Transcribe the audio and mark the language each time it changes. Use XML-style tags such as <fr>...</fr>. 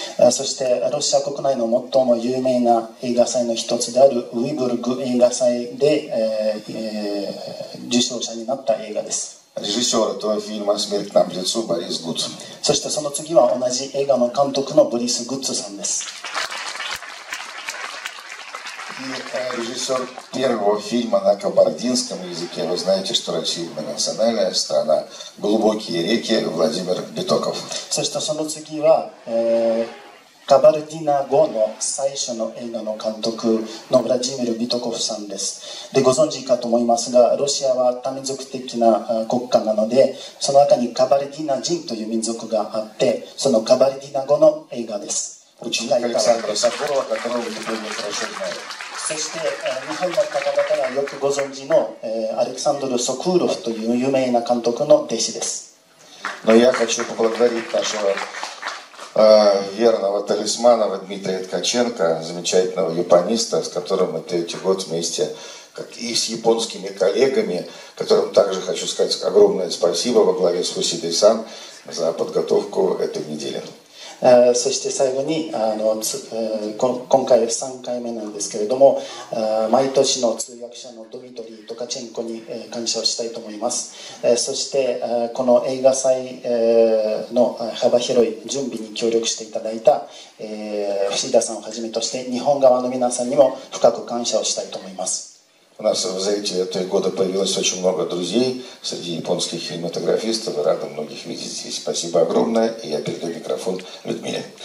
<ja>そしてロシア国内の最も有名な映画祭の一つであるウィブルグ映画祭で、受賞者になった映画です。</ja> <ru>режиссер этого фильма «Смерть нам к лицу» Борис Гуц.</ru> <ja>そしてその次は同じ映画の監督のブリス・グッツさんです。</ja> <ru>И, режиссер первого фильма на кабардинском языке, вы знаете, что Россия многонациональная страна, глубокие реки, Владимир Битоков.</ru> <ja>そしてその次は、カバルディナ語の最初の映画の監督のブラジミル・ビトコフさんです。でご存知かと思いますが、ロシアは多民族的な国家なので、その中にカバルディナ人という民族があって、そのカバルディナ語の映画です。ウチナイカルサンドロサコロワカトロ。そして日本の方々がよくご存知の、アレクサンドル・ソクーロフという有名な監督の弟子です。</ja> <ru>Но я хочу поблагодарить нашего верного талисмана Дмитрия Ткаченко, замечательного япониста, с которым мы третий год вместе, как и с японскими коллегами, которым также хочу сказать огромное спасибо во главе с Фусидэй-сан за подготовку этой недели.</ru> <ja>そして最後に今回3回目なんですけれども、毎年の通訳者のドミトリー・トカチェンコに感謝をしたいと思います。そしてこの映画祭の幅広い準備に協力していただいた藤田さんをはじめとして日本側の皆さんにも深く感謝をしたいと思います。</ja> <ru>У нас за эти три года появилось очень много друзей среди японских кинематографистов. Рады многих видеть здесь. Спасибо огромное. И я передаю микрофон Людмиле.</ru>